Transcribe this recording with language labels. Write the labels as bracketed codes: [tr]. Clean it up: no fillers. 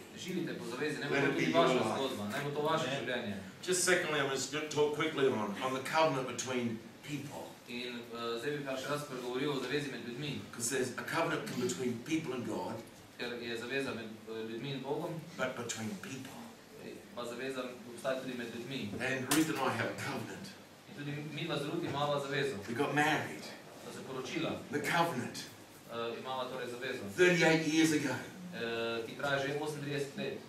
[en] Just secondly, I'm going to talk quickly on the covenant between people. [sl] In zdaj bi pa še raz pregovoril o zavezi med ljudmi. [en] Because there's a covenant between people and God. [sl] Ker je zaveza med ljudmi in Bogom. [en] But between people. [sl] Pa zaveza obstaja tudi med ljudmi. [en] And Ruth and I have a covenant. [sl] In tudi mi z Ruth imava zavezo. [en] We got married. [sl] Se poročila. [en] The covenant. [sl] Imava torej zavezo. [en] 38 years ago. [sl] ki traja že 38 let.